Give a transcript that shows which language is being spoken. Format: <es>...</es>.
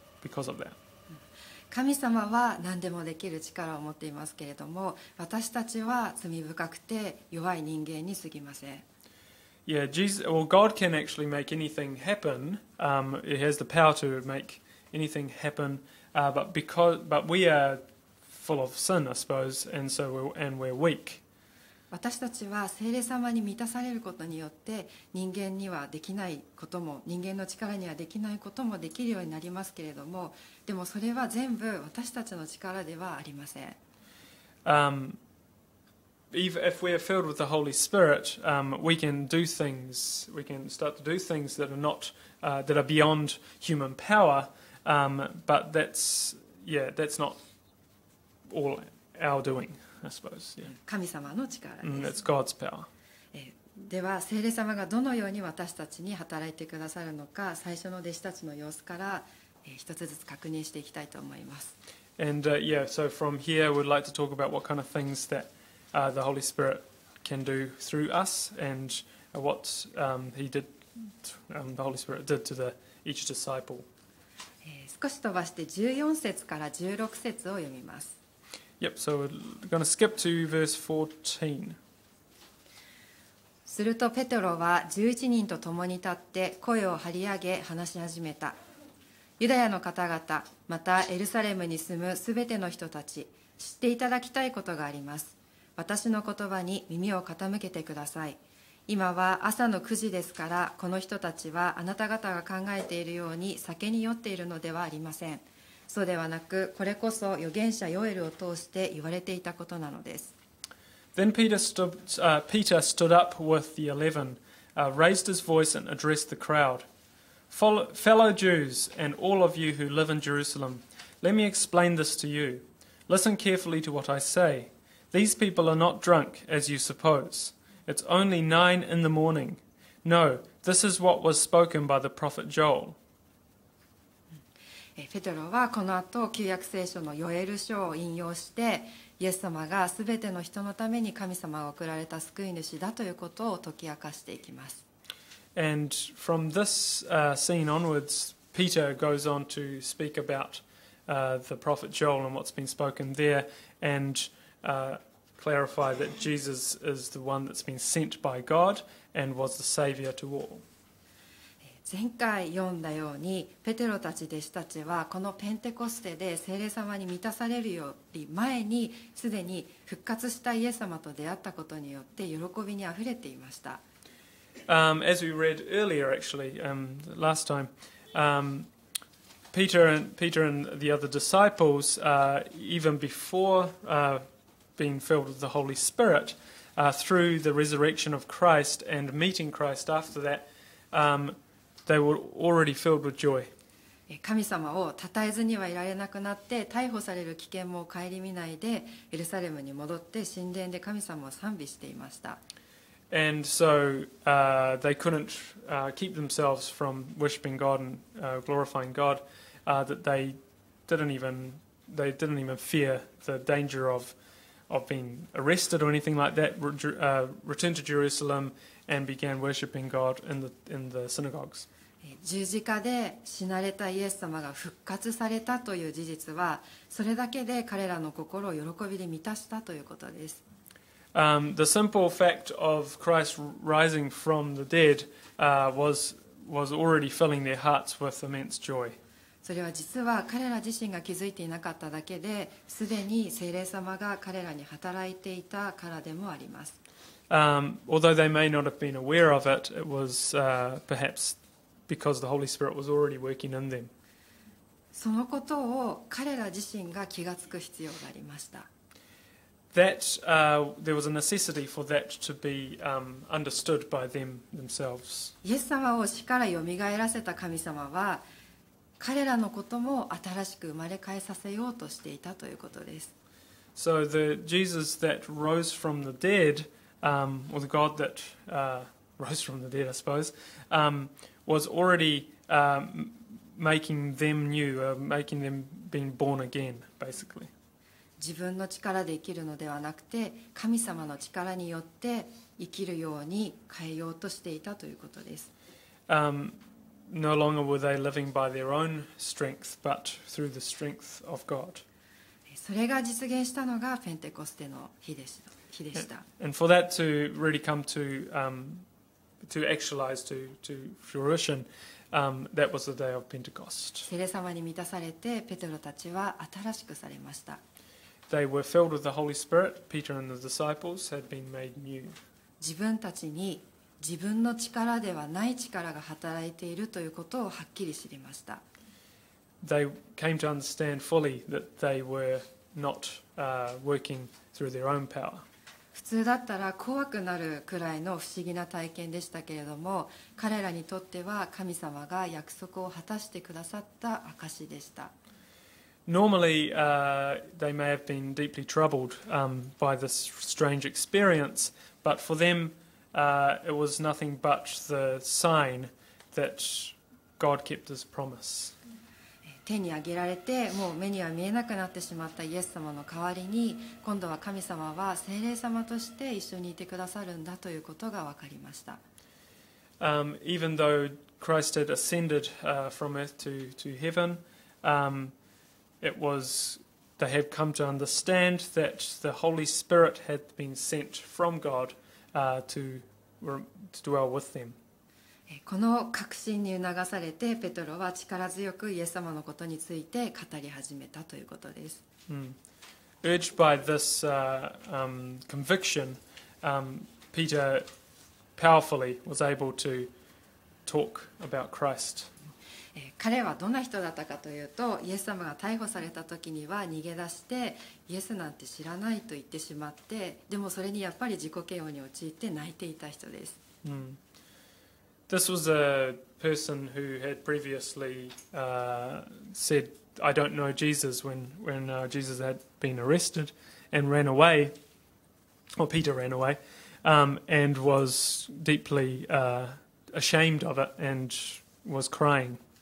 <en>Because of that.</en> <ja>神様は何でもできる力を持っていますけれども、私たちは罪深くて弱い人間にすぎません。</ja> <en>Yeah, Jesus. Well, God can actually make anything happen. He has the power to make anything happen. But we are full of sin, I suppose, and we're weak.</en> <ja>私たちは聖霊様に満たされることによって人間にはできないことも人間の力にはできないこともできるようになりますけれどもでもそれは全部私たちの力ではありません。</ja> <en>If we are filled with the Holy Spirit, we can do things, we can start to do things that are not, that are beyond human power, but that's, yeah, that's not all our doing, I suppose. Yeah.</en> <ja>神様の力です。</ja> <en>That's God's power.</en> <ja>では聖霊様がどのように私たちに働いてくださるのか、最初の弟子たちの様子から一つずつ確認していきたいと思います。</ja> <en>And yeah, so from here, I would like to talk about what kind of things that the Holy Spirit can do through us, and what He did, the Holy Spirit did to each disciple.</en> <ja>少し飛ばして14節から16節を読みます。</ja> <en>Yep, so we're going to skip to verse 14.</en> <ja>するとペテロは11人と共に立って声を張り上げ話し始めた。ユダヤの方々、またエルサレムに住むすべての人たち、知っていただきたいことがあります。私の言葉に耳を傾けてください。今は朝の9時ですから、この人たちはあなた方が考えているように酒に酔っているのではありません。そうではなく、これこそ預言者ヨエルを通して言われていたことなのです。</ja> <en>Then Peter stood up with the 11, raised his voice and addressed the crowd. Fellow Jews, and all of you who live in Jerusalem, let me explain this to you. Listen carefully to what I say. These people are not drunk, as you suppose. It's only 9 in the morning. No, this is what was spoken by the prophet Joel.</en> <ja>ペテロはこの後旧約聖書のヨエル書を引用して、イエス様がすべての人のために神様が贈られた救い主だということを解き明かしていきます。</ja> <en>And from this scene onwards, Peter goes on to speak about the prophet Joel and what's been spoken there, and clarify that Jesus is the one that's been sent by God and was the savior to all.</en> <ja>前回読んだようにペテロたち弟子たちはこのペンテコステで聖霊様に満たされるより前にすでに復活したイエス様と出会ったことによって喜びにあふれていました。</ja> <en>As we read earlier, actually, last time, Peter and the other disciples, even before being filled with the Holy Spirit, through the resurrection of Christ and meeting Christ after that, they were already filled with joy.</en> <ja>神様を讃えずにはいられなくなって、逮捕される危険も顧みないで、エルサレムに戻って神殿で神様を賛美していました。</ja> <en>And so they couldn't keep themselves from worshiping God and glorifying God that they didn't even fear the danger of being arrested or anything like that returned to Jerusalem and began worshiping God in the synagogues.</en> <ja>十字架で死なれたイエス様が復活されたという事実はそれだけで彼らの心を喜びで満たしたということです。</ja> <en>The simple fact of Christ rising from the dead was already filling their hearts with immense joy.</en> <ja>それは実は彼ら自身が気づいていなかっただけで、すでに聖霊様が彼らに働いていたからでもあります。</ja> <en>Although they may not have been aware of it, it was perhaps because the Holy Spirit was already working in them.</en> <ja>そのことを彼ら自身が気がつく必要がありました。</ja> <en>That there was a necessity for that to be understood by themselves.</en> <ja>イエス様を死から蘇らせた神様は、彼らのことも新しく生まれ変えさせようとしていたということです。</ja> <en>So the Jesus that rose from the dead, or the God that rose from the dead, I suppose, was already making them new, making them being born again, basically.</en> <ja>自分の力で生きるのではなくて、神様の力によって生きるように変えようとしていたということです。</ja> <en>No longer were they living by their own strength, but through the strength of God.</en> <ja>それが実現したのがペンテコステの日でした。</ja> <en>And for that to really come to actualize to fruition,that was the day of Pentecost.</en> <ja>聖霊様に満たされて、ペテロたちは新しくされました。</ja> <en>They were filled with the Holy Spirit. Peter and the disciples had been made new.</en> <ja>自分たちに自分の力ではない力が働いているということをはっきり知りました。</ja> <en>They came to understand fully that they were not working through their own power.</en> <ja>普通だったら怖くなるくらいの不思議な体験でしたけれども、彼らにとっては神様が約束を果たしてくださった証でした。</ja> <en>Normally, they may have been deeply troubled by this strange experience, but for them, it was nothing but the sign that God kept His promise.</en> <ja>手に挙げられて、もう目には見えなくなってしまったイエス様の代わりに、今度は神様は聖霊様として一緒にいてくださるんだということが分かりました。</ja> <en>Even though Christ had ascended from earth to heaven, it was they had come to understand that the Holy Spirit had been sent from God to dwell with them.</en> <ja>この確信に促されてペトロは力強くイエス様のことについて語り始めたということです。</ja> <en>Urged by this conviction, Peter powerfully was able to talk about Christ.</en> <ja>彼はどんな人だったかというと、イエス様が逮捕された時には逃げ出してイエスなんて知らないと言ってしまって、でもそれにやっぱり自己嫌悪に陥って泣いていた人です。</ja> <en>This was a person who had previously said, I don't know Jesus, when Jesus had been arrested and ran away, or Peter ran away, and was deeply ashamed of it and was crying.</en>